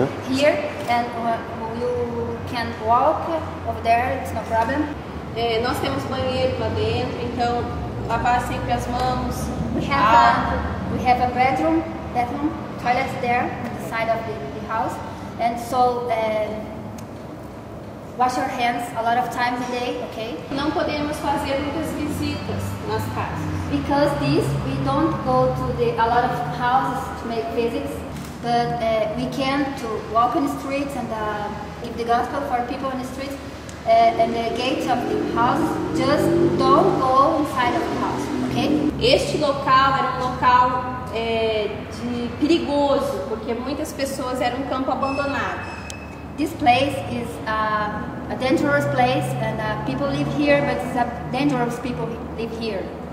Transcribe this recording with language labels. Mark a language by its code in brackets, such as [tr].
[en] Here, and you can walk over there, it's no problem. [pt] Nós temos banheiro lá dentro, então lavar sempre as mãos. [en] We have a bathroom, toilet there on the side of the house, and so wash your hands a lot of times a day, okay? [pt] Não podemos fazer muitas visitas nas casas. [en] Because this, we don't go to a lot of houses to make visits, but we can to walk in the streets and give the gospel for people in the streets and the gates of the house. Just don't go inside of the house, okay? [pt] Este local era local de perigoso, porque muitas pessoas era campo abandonado. [en] This place is a dangerous place, and people live here, but it's a dangerous people live here.